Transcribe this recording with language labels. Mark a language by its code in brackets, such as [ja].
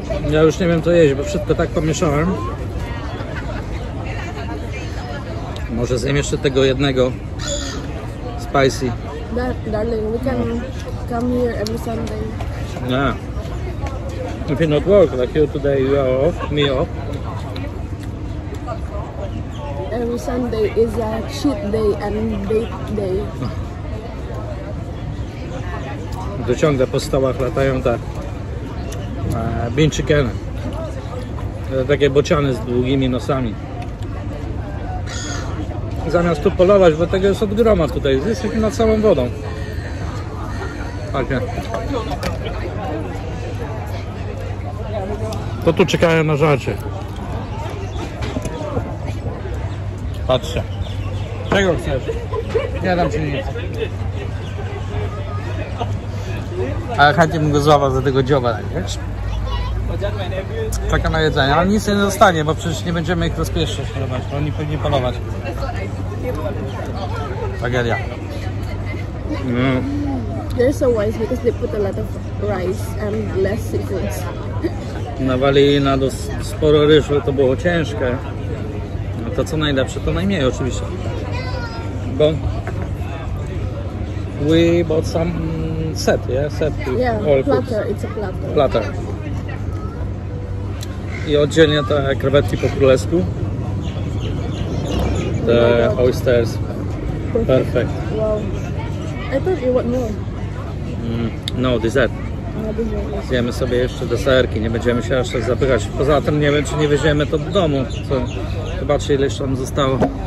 [pl] Ja już nie wiem co jeść, bo wszystko tak pomieszałem. Może zjem jeszcze tego jednego spicy. [en] Darling, we can come here every Sunday. Yeah. If you not work, like you today, you are off, me off. Every Sunday is a cheat day and date day. [pl] Do ciągle po stołach latają te bean chicken. takie bociany z długimi nosami. Zamiast tu polować, bo tego jest od groma tutaj, jesteś nad całą wodą. Takie. To tu czekają na żarcie. Patrzcie. Czego chcesz? Nie dam ci nic. Ale chętnie bym go złapał za tego dzioba, tak, wiesz? Czeka na jedzenie, ale nic nie zostanie, bo przecież nie będziemy ich rozpieszczać, polować, bo oni powinni polować. Tragedia. Mm. [en] They're so wise because they put a lot of rice and less seafood. [pl] Nawalili na sporo ryżu, to było ciężkie. No to co najlepsze, to najmniej oczywiście. [en] Bo we bought some set, yeah? Set. Yeah, all platter, foods. It's a platter. Platter. [pl] I oddzielnie te krewetki po królewsku. [en] The oysters. Perfect. Wow. I thought you want more. No, dessert. [pl] Zjemy sobie jeszcze deserki, nie będziemy się aż tak zapychać. Poza tym nie wiem, czy nie weźmiemy to do domu. Co? Zobaczcie, ile jeszcze tam zostało.